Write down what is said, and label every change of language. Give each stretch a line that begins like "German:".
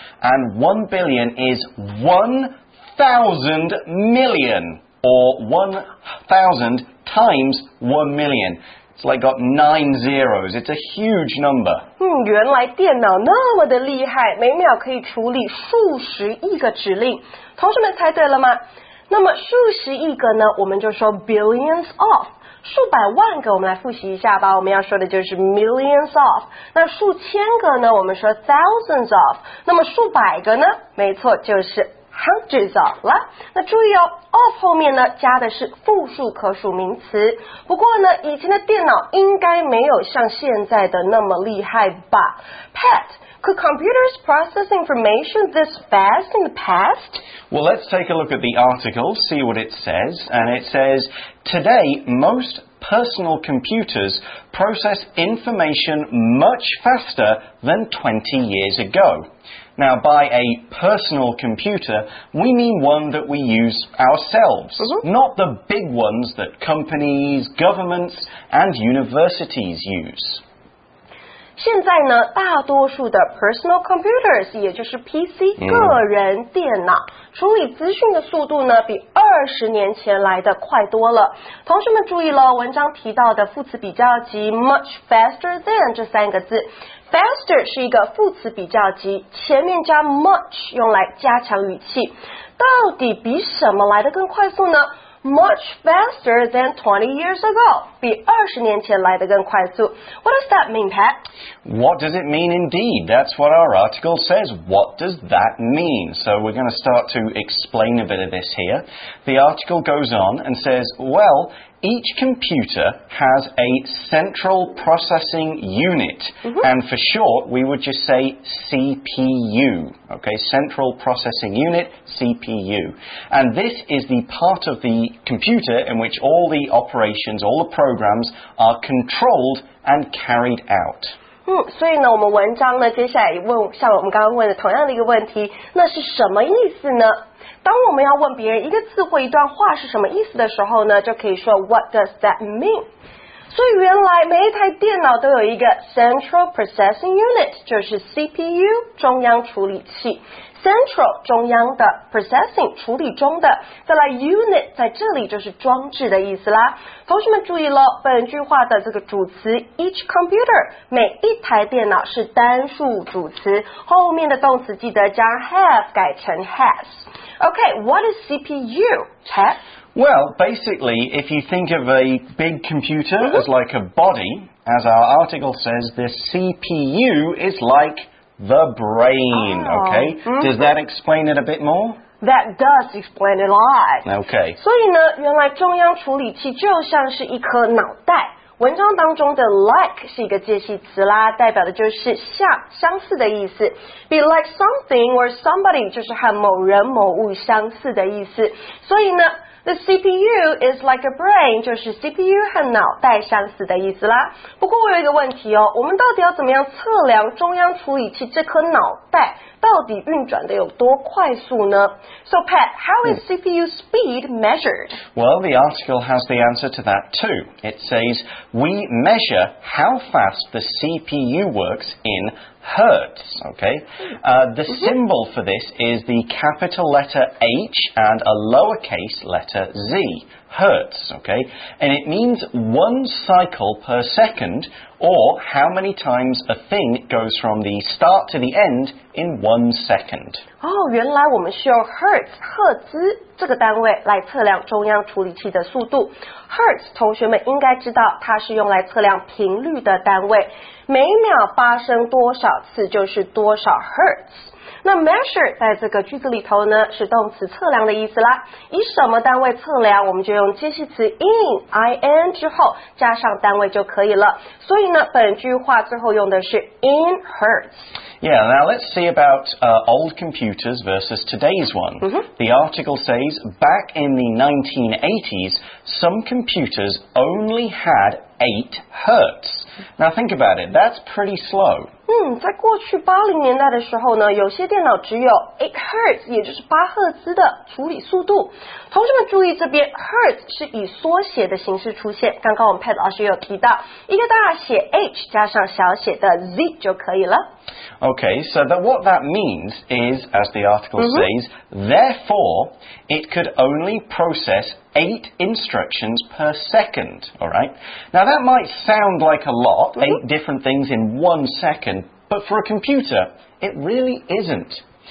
English: And 1 billion is 1,000 million, or 1,000 times 1 million. It's like got 9 zeros. It's a huge number.
Chinese: 原来电脑那么的厉害，每秒可以处理数十亿个指令。同学们猜对了吗？那么数十亿个呢，我们就说 billions of。数百万个，我们来复习一下吧。我们要说的就是 millions of。那数千个呢，我们说 thousands of。那么数百个呢，没错，就是 hundreds of 了。那注意哦， of 后面呢加的是复数可数名词。不过呢，以前的电脑应该没有像现在的那么厉害吧 ？
English: Pat, could computers process information this fast in the past? Well, let's take a look at the article, see what it says, and it says. Today, most personal computers process information much faster than 20 years ago. Now, by a personal computer, we mean one that we use ourselves, not the big ones that companies, governments, and universities use.
Chinese: 现在呢，大多数的 personal computers， 也就是 PC 个人电脑，处理资讯的速度呢，比20年前来的快多了。同学们注意了，文章提到的副词比较级 much faster than 这三个字 ，faster 是一个副词比较级，前面加 much 用来加强语气。到底比什么来得更快速呢？
English: Much faster than 20 years ago.
Chinese: 比20年前来得更快速。
English: What does that mean, Pat? What does it mean indeed? That's what our article says. What does that mean? So we're going to start to explain a bit of this here. The article goes on and says, well, each computer has a central processing unit. Mm-hmm. And for short, we would just say CPU. Okay, central processing unit, CPU. And this is the part of the computer in which all the operations, all the programs are controlled and carried out.
Chinese: 所以呢，我们文章呢，接下来问像我们刚刚问的同样的一个问题，那是什么意思呢？当我们要问别人一个字或一段话是什么意思的时候呢，就可以说
English: What does that mean?
Chinese: 所以原来每一台电脑都有一个 Central Processing Unit， 就是 CPU 中央处理器。 Central 中央的 processing 处理中的，再来 unit 在这里就是装置的意思啦。同学们注意了，本句话的这个主词 each computer 每一台电脑是单数主词，后面的动词记得将 have 改成 has。
English: Okay, what is CPU, Chad? Well, basically, if you think of a big computer as like a body, as our article says, the CPU is like. The brain, okay? Does that explain it a bit more? That does explain it a lot. Okay.
Chinese: 所以呢，原来中央处理器就像是一颗脑袋。文章当中的 like 是一个介系词啦，代表的就是像、相似的意思。
English: Be like something or somebody
Chinese: 就是和某人、某物相似的意思。所以呢
English: The CPU is like a brain,
Chinese: 就是 CPU 和脑袋相似的意思啦。不过我有一个问题哦，我们到底要怎么样测量中央处理器这颗脑袋到底运转得有多快速呢？
English: So Pat, how is CPU speed measured? Well, the article has the answer to that too. It says, we measure how fast the CPU works in hertz, okay? The symbol for this is the capital letter H and a lowercase letter Z, hertz, okay? And it means one cycle per second, or how many times a thing goes from the start to the end in 1 second.
Chinese: Oh, 原来我们需要 hertz, 赫兹这个单位来测量中央处理器的速度。 Hertz, 同学们应该知道它是用来测量频率的单位。每秒发生多少次就是多少 hertz。那 measure 在这个句子里头呢是动词测量的意思啦。以什么单位测量，我们就用介系词 in, in 之后加上单位就可以了。所以呢本句话最后用的是 in hertz。
English: Yeah, now let's see about old computers versus today's one. Mm-hmm. The article says, back in the 1980s, some computers only had 8 hertz. Now think about it, that's pretty slow.
Chinese: 在过去80年代的时候呢，有些电脑只有 8 hertz, 也就是8赫兹的处理速度。同学们注意这边 ,hertz 是以缩写的形式出现。刚刚我们 Pat 老师有提到，一个大写 H 加上小写的 Z 就可以了。
English: Okay, so that what that means is, as the article says, therefore, it could only process 8 instructions per second, alright? Now that might sound like a lot, 8 different things in 1 second, but for a computer, it really isn't.